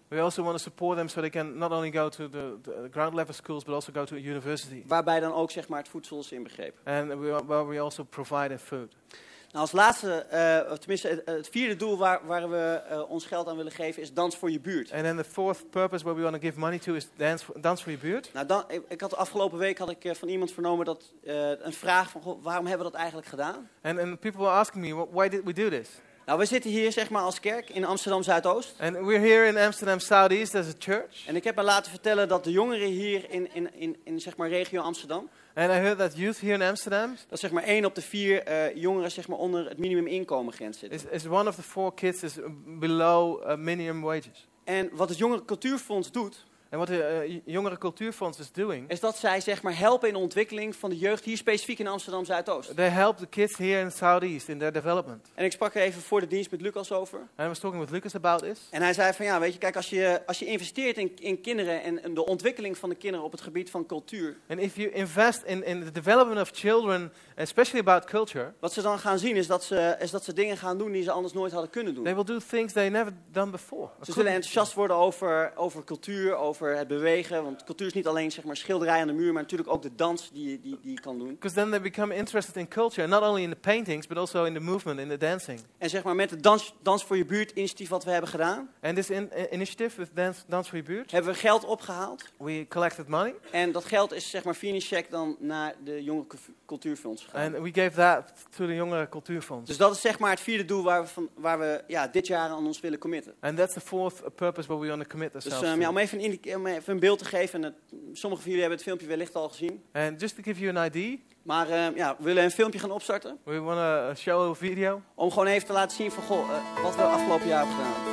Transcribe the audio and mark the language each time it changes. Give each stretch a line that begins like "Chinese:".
English: We also want to support them so they can not only go to the ground level schools, but also go to a university.
Dutch: Waarbij dan ook zeg maar het voedsel is inbegrepen.
English: And we also provide food.
Dutch: Nou, als laatste, het vierde doel waar we ons geld aan willen geven is dans voor je buurt.
English: And then the fourth purpose where we want to give money to is dans voor je buurt.
Dutch: Nou, ik had de afgelopen week had ik van iemand vernomen dat een vraag van God, waarom hebben we dat eigenlijk gedaan?
English: And people were asking me, why did we do this?
Dutch: Nou, we zitten hier zeg maar als kerk in Amsterdam Zuidoost.
English: And we're here in Amsterdam Southeast as a church.
Dutch: En ik heb me laten vertellen dat de jongeren hier in zeg maar regio Amsterdam.
English: And I heard that youth here in Amsterdam.
Dutch: Dat zeg maar 1 op de 4 jongeren zeg maar onder het minimuminkomengrens zitten.
English: Is one of the 4 kids is below minimum wages.
Dutch: En wat het jongerencultuurfonds doet.
English: And what the jongerencultuurfonds is doing.
Dutch: Is dat zij zeg maar helpen in de ontwikkeling van de jeugd hier specifiek in Amsterdam Zuidoost.
English: They help the kids here in Southeast in their development.
Dutch: En ik sprak er even voor de dienst met Lucas over.
English: And I was talking with Lucas about this.
Dutch: En hij zei van ja, weet je, kijk, als je investeert in kinderen en de ontwikkeling van de kinderen op het gebied van cultuur.
English: And if you invest in the development of children, especially about culture.
Dutch: Wat ze dan gaan zien is dat ze dingen gaan doen die ze anders nooit hadden kunnen doen.
English: They will do things they never done before.
Dutch: Ze zullen enthousiast worden over cultuur, over het bewegen, want cultuur is niet alleen zeg maar schilderij aan de muur, maar natuurlijk ook de dans die je kan doen.
English: Because then they become interested in culture, not only in the paintings, but also in the movement, in the dancing.
Dutch: En zeg maar met het dans voor je buurt initiatief wat we hebben gedaan.
English: And this initiative with dance for your buurt.
Dutch: Hebben we geld opgehaald?
English: We collected money.
Dutch: En dat geld is zeg maar finish check dan naar de jonge cultuurfonds gegaan.
English: And we gave that to the jonge cultuurfonds.
Dutch: Dus dat is zeg maar het vierde doel waar we dit jaar aan ons willen committen.
English: And that's the fourth purpose where we want to commit ourselves.
Dutch: Dus om even een beeld te geven. Sommigen van jullie hebben het filmpje wellicht al gezien.
English: And just to give you an idea.
Dutch: Maar we willen een filmpje gaan opstarten.
English: We want to show a video.
Dutch: Om gewoon even te laten zien van goh, wat we afgelopen jaar hebben gedaan.